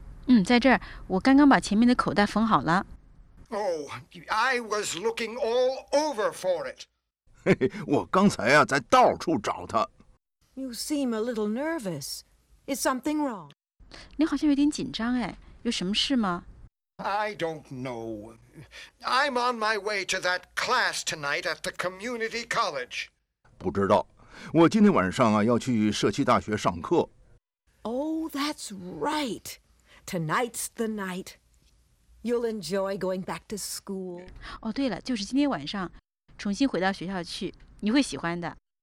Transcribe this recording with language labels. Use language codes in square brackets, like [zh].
[zh] 嗯，在这儿，我刚刚把前面的口袋缝好了。 [en] Oh, I was looking all over for it. [zh] 我刚才啊，在到处找它。 [en] You seem a little nervous. Is something wrong? [zh] 你好像有点紧张哎，有什么事吗？ [en] I don't know. I'm on my way to that class tonight at the community college. [zh] 不知道，我今天晚上啊，要去社区大学上课。 [en] Oh, that's right. Tonight's the night. You'll enjoy going back to school. [zh] 哦，对了，就是今天晚上，重新回到学校去，你会喜欢的。